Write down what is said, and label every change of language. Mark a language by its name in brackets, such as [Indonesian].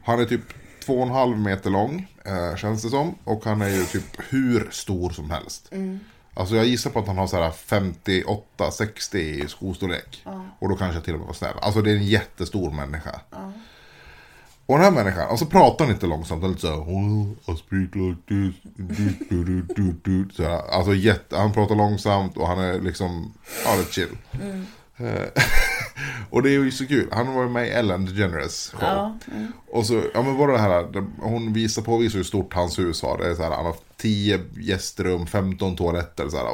[Swedish] Han är typ 2,5 meter lång, känns det som. Och han är ju typ hur stor som helst. Mm. Alltså jag gissar på att han har så här 58-60 skostorlek. Mm. Och då kanske jag till och med var snäll. Alltså det är en jättestor människa. Mm. Och den här människan, alltså pratar han inte långsamt. [English] Eller så här, I speak like this. [Swedish] Så här, alltså han pratar långsamt och han är liksom, ja, det är chill. Mm. Och det är ju så kul. Han var med i Ellen DeGeneres show. Ja, mm. Och så, ja, men bara det här, hon visar hur stort hans hus var. Det är så här, han har 10 gästrum, 15 toaletter så här.